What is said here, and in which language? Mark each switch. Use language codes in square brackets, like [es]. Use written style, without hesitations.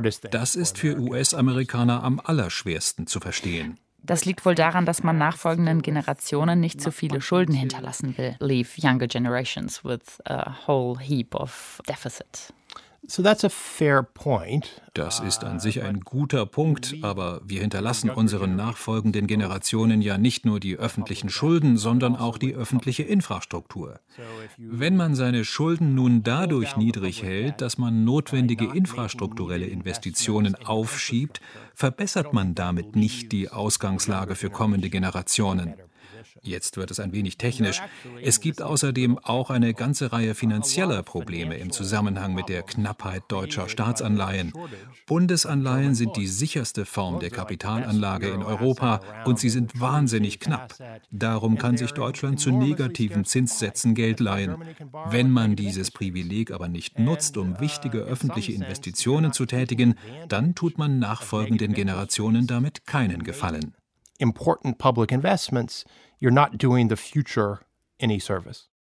[de] Das ist für US-Amerikaner am allerschwersten zu verstehen. Das liegt wohl daran, dass man nachfolgenden Generationen nicht zu viele Schulden hinterlassen will. [en] Leave younger generations with a whole heap of deficit. So that's a fair point. [de] Das ist an sich ein guter Punkt, aber wir hinterlassen unseren nachfolgenden Generationen ja nicht nur die öffentlichen Schulden, sondern auch die öffentliche Infrastruktur. Wenn man seine Schulden nun dadurch niedrig hält, dass man notwendige infrastrukturelle Investitionen aufschiebt, verbessert man damit nicht die Ausgangslage für kommende Generationen. Jetzt wird es ein wenig technisch. Es gibt außerdem auch eine ganze Reihe finanzieller Probleme im Zusammenhang mit der Knappheit deutscher Staatsanleihen. Bundesanleihen sind die sicherste Form der Kapitalanlage in Europa und sie sind wahnsinnig knapp. Darum kann sich Deutschland zu negativen Zinssätzen Geld leihen. Wenn man dieses Privileg aber nicht nutzt, um wichtige öffentliche Investitionen zu tätigen, dann tut man nachfolgenden Generationen damit keinen Gefallen. [en] Important public investments, you're not doing the future any service.